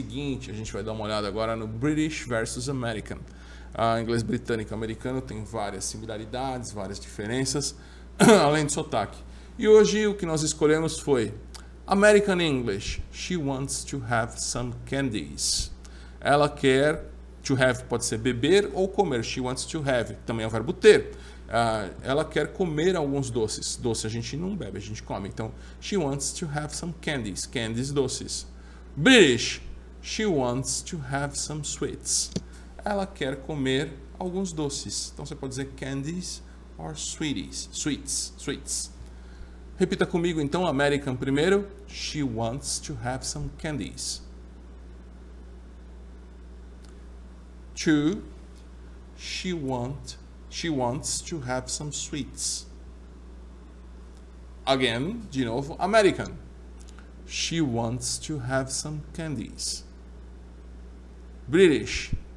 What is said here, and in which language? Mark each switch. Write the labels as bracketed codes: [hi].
[pt] seguinte, a gente vai dar uma olhada agora no British versus American. A inglês britânico e americano tem várias similaridades, várias diferenças, além do sotaque. E hoje o que nós escolhemos foi American English. [en] She wants to have some candies. [pt] Ela quer, [en] to have [pt] pode ser beber ou comer. [en] She wants to have, [pt] também é um verbo ter. Ela quer comer alguns doces. Doce a gente não bebe, a gente come. [en] Então, she wants to have some candies. Candies, doces. British. She wants to have some sweets. [pt] Ela quer comer alguns doces. Então, você pode dizer [en] candies or sweeties. Sweets, sweets. [pt] Repita comigo, então, American primeiro. [en] She wants to have some candies. Two. She wants to have some sweets. Again, [pt] de novo, [en] American. She wants to have some candies. British.